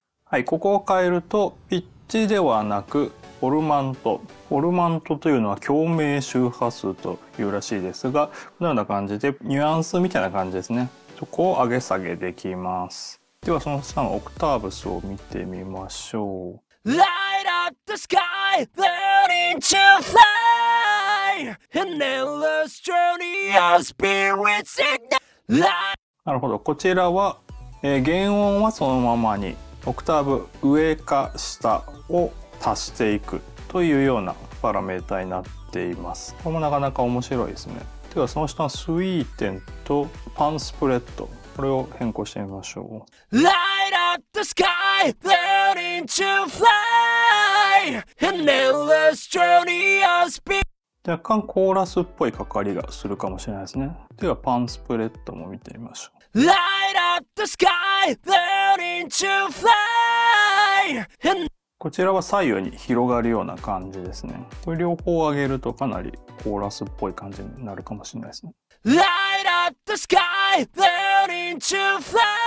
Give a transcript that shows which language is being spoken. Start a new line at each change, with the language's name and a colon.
Japanese: はい、ここを変えるとピッチではなくフォルマント、フォルマントというのは共鳴周波数というらしいですが、このような感じでニュアンスみたいな感じですね。そこを上げ下げできます。ではその下のオクターブスを見てみましょう。
English: Light up the sky, learning to fly, an endless journey of spirits in the light.
Japanese: なるほど、こちらは、原音はそのままにオクターブ上か下を足していくというようなパラメータになっています。これもなかなか面白いですね。ではその下のスイーテンとパンスプレッド、これを変更してみましょう。
English: Light up the sky, learning to fly, an endless journey of speed.
Japanese: 若干コーラスっぽいかかりがするかもしれないですね。ではパンスプレッドも見てみましょう。
English: Light up the sky, learning to fly, an...
Japanese: こちらは左右に広がるような感じですね。これ両方上げるとかなりコーラスっぽい感じになるかもしれないですね。
English: Light up the sky, learning to fly.